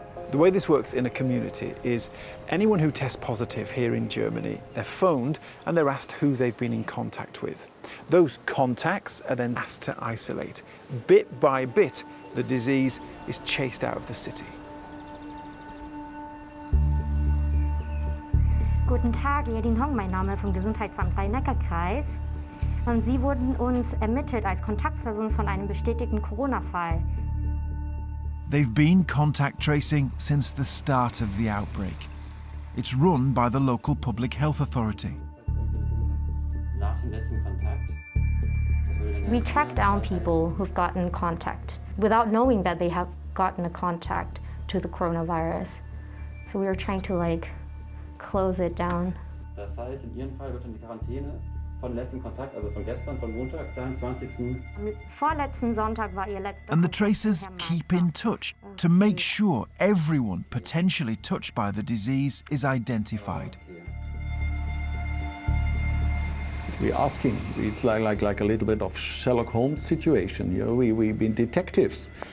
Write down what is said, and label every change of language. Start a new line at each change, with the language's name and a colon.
English: The way this works in a community is anyone who tests positive here in Germany, they're phoned and they're asked who they've been in contact with. Those contacts are then asked to isolate. Bit by bit, the disease is chased out of the city.
German: Guten Tag, Edin Hong, mein Name vom Gesundheitsamt Rhein-Neckar-Kreis. Und Sie wurden uns ermittelt als Kontaktperson von einem bestätigten Corona-Fall.
English: They've been contact tracing since the start of the outbreak. It's run by the local public health authority. We track down people who've gotten contact without knowing that they have gotten a contact to the coronavirus. So we were trying to close it down.
German: Das heißt, in Ihrem Fall wird dann die Quarantäne von letzten Kontakt, also von gestern, von Montag, 22. Vorletzten Sonntag war Ihr letzter.
English: And the tracers keep in touch to make sure everyone potentially touched by the disease is identified. We're asking. It's like a little bit of Sherlock Holmes situation. You know, we've been detectives.